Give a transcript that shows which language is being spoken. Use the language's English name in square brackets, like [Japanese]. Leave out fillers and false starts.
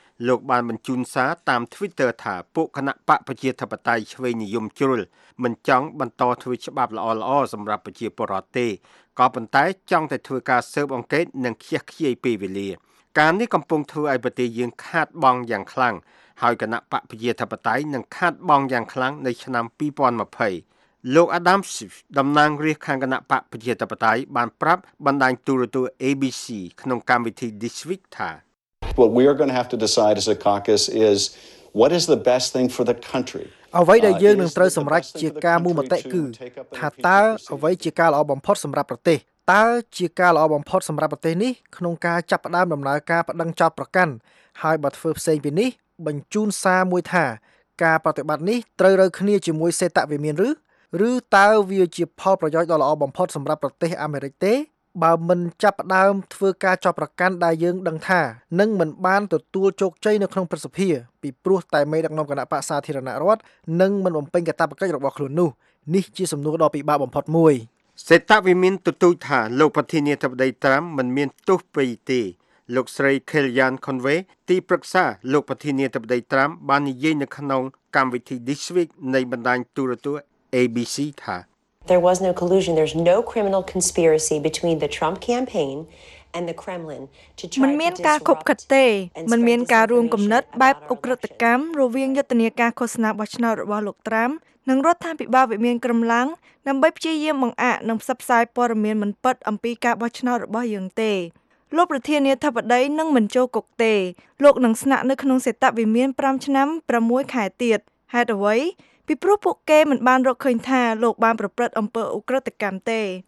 [Khmer] លោកបានបញ្ជូនសារតាម Twitter ថាពួកគណៈបកប្រជាធិបតេយ្យឆ្វេងនិយមជ្រុលមិនចង់បន្តធ្វើច្បាប់ល្អល្អសម្រាប់ប្រជាពលរដ្ឋទេក៏ប៉ុន្តែចង់តែធ្វើការស៊ើបអង្កេតនិងខ្ជះខ្ជាយពេលវេលាការនេះកំពុងធ្វើឲ្យប្រទេសយើងខាតបង់យ៉ាងខ្លាំងហើយគណៈបកប្រជាធិបតេយ្យនឹងខាតបង់យ៉ាងខ្លាំងនៅឆ្នាំ2020លោក Adam Schiff តំណាងរាស្ត្រខាងគណៈបកប្រជាធិបតេយ្យបានប្រាប់បណ្ដាញទូរទស្សន៍ ABC ក្នុងកម្មវិធី This Week ថា [English] What we are going to have to decide as a caucus is what is the best thing for the country. [Khmer] អ្វីដែលយើងនឹងត្រូវសម្រេចជាការមូលមតិគឺថាតើអ្វីជាការល្អបំផុតសម្រាប់ប្រទេសតើជាការល្អបំផុតសម្រាប់ប្រទេសនេះក្នុងការចាប់ផ្ដើមដំណើរការប្តឹងចោទប្រកាន់ហើយបើធ្វើផ្សេងពីនេះបញ្ជូនសារមួយថាការប្រតិបត្តិនេះត្រូវរើគ្នាជាមួយសេតវិមាន ឬតើវាជាផលប្រយោជន៍ដ៏ល្អបំផុតសម្រាប់ប្រទេសអាមេរិកទេបើមិនចាប់ផ្ដើមធ្វើការចោទប្រកាន់ដែលយើងដឹងថានឹងមិនបានទទួលជោគជ័យនៅក្នុងប្រសិទ្ធិពីព្រោះតែមេដឹកនាំគណៈបក្សសាធារណរដ្ឋនឹងមិនបំពេញកាតព្វកិច្ចរបស់ខ្លួននោះនេះជាសំណួរដ៏ពិបាកបំផុតមួយ សេតវិមានទទូចថាលោកប្រធានាធិបតីត្រាំមិនមានទោសពីទេលោកស្រីខេលយ៉ានខុនវេទីប្រឹក្សាលោកប្រធានាធិបតីត្រាំបាននិយាយនៅក្នុងកម្មវិធី This Week នៃបណ្ដាញទូរទស្សន៍ ABC ថា [English] There was no collusion. There's no criminal conspiracy between the Trump campaign and the Kremlin to try to disrupt. [Khmer] มันមានការខុបខិតទេมันមានការរួមគំនិតបែបអុក្រិតកម្មរវាងយុទ្ធនាការឃោសនាបោះឆ្នោតរបស់លោកត្រាំនិងរដ្ឋាភិបាលវិមានក្រំឡាំងដើម្បីព្យាយាមបង្អាក់និងផ្សព្វផ្សាយព័ត៌មានមិនពិតអំពីការបោះឆ្នោតរបស់យើងទេលោកប្រធានាធិបតីនឹងមិនចូលគុកទេលោកនឹងស្នាក់នៅក្នុងសេតវិមាន5ឆ្នាំ6ខែទៀតហេតុអ្វីពីព្រោះពួកគេមិនបានរកឃើញថាលោកបានប្រព្រឹត្តអំពើឧក្រិដ្ឋកម្មទេ